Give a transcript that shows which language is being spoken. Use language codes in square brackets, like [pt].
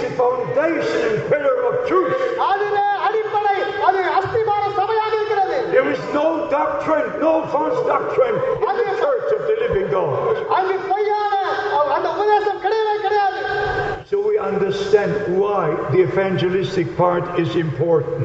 [en] Foundation and pillar of truth. [ta] அதுவே அடிப்படை அது அஸ்திபான சபையாக இருக்கிறது. [en] There is no doctrine, no false doctrine in the church of the living God. [ta] அங்கு பொய்யான அந்த உபதேசம் கிடையவே கிடையாது. [en] So we are understand why the evangelistic part is important.